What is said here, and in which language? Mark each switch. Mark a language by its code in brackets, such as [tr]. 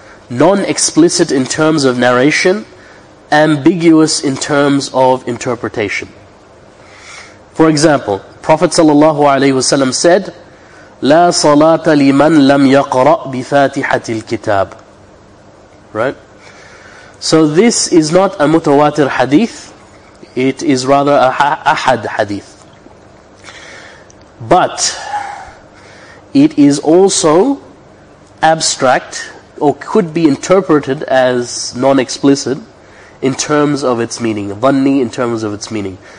[en] Non-explicit in terms of narration, ambiguous in terms of interpretation. For example, Prophet ﷺ said, [ar] لا صلاة لمن لم يقرأ بفاتحة الكتاب. [en] Right? So this is not a mutawatir hadith, it is rather a ahad hadith. But it is also abstract, or could be interpreted as non-explicit in terms of its meaning, dhanni in terms of its meaning.